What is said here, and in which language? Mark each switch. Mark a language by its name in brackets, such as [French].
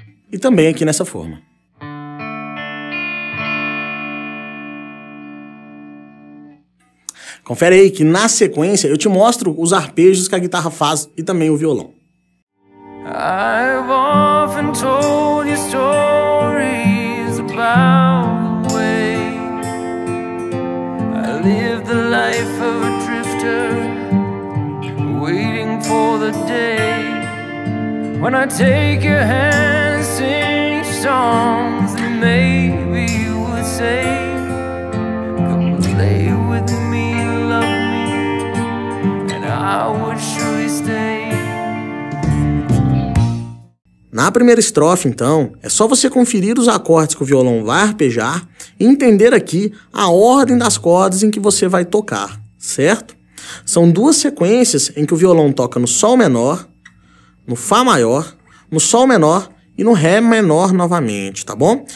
[Portuguese] E também aqui nessa forma. Confere aí que na sequência eu te mostro os arpejos que a guitarra faz e também o violão. [English] I've often told you stories about the way I live the life of a drifter. Waiting for the day when I take your hand and sing songs that maybe you would say, come play with me, love me, and I would surely stay. [Portuguese] Na primeira estrofe, então, é só você conferir os acordes que o violão vai arpejar e entender aqui a ordem das cordas em que você vai tocar, certo? São duas sequências em que o violão toca no Sol menor, no Fá maior, no Sol menor e no Ré menor novamente, tá bom?